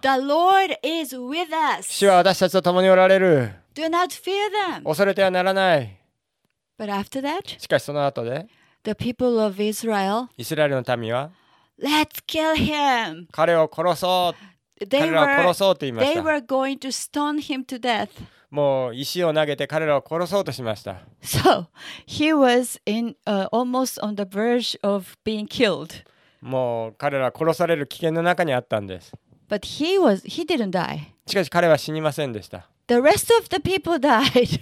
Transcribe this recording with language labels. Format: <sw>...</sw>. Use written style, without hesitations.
<en>The Lord is with us.</en> <ja>主は私たちと共におられる。</ja> <en>Do not fear them.</en> <ja>恐れてはならない。</ja> <en>But after that,</en> <ja>しかしその後で、</ja> <en>the people of Israel,</en> <ja>イスラエルの民は、</ja> <en>Let's kill him.</en> <ja>彼を殺そう。</ja> <en>They were,</en> <ja>彼らを殺そうと言いました。</ja> <en>They were going to stone him to death.</en> <ja>もう石を投げて彼らを殺そうとしました。</ja> <en>So, he was in, almost on the verge of being killed.</en> <ja>もう彼らは殺される危険の中にあったんです。</ja> <en>But he didn't die.</en> <ja>しかし彼は死にませんでした。</ja> <en>The rest of the people died.</en>